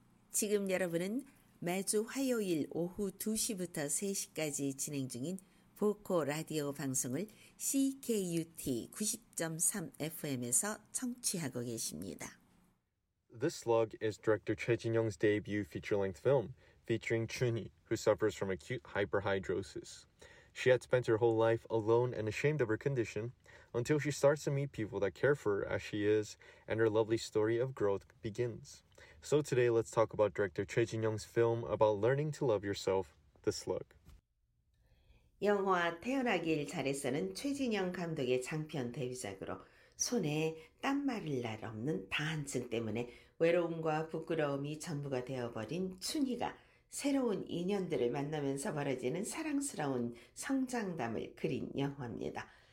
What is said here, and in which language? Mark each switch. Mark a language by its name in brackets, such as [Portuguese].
[Korean] 지금 여러분은 매주 화요일 오후 2시부터 3시까지 진행 중인 보코 라디오 방송을 CKUT 90.3 FM에서 청취하고 계십니다. [English] This slug is director Choi Jin-young's debut feature-length film, featuring Chun-hee, who suffers from acute hyperhidrosis. She had spent her whole life alone and ashamed of her condition, until she starts to meet people that care for her as she is, and her lovely story of growth begins. So today, let's talk about director Choi Jin-young's film about learning to love yourself, The Slug. [Korean] 영화 태어나길 잘했어는 최진영 감독의 장편 데뷔작으로 손에 땀 마를 날 없는 다한증 때문에 외로움과 부끄러움이 전부가 되어버린 춘희가 새로운 인연들을 만나면서 벌어지는 사랑스러운 성장담을 그린 영화입니다.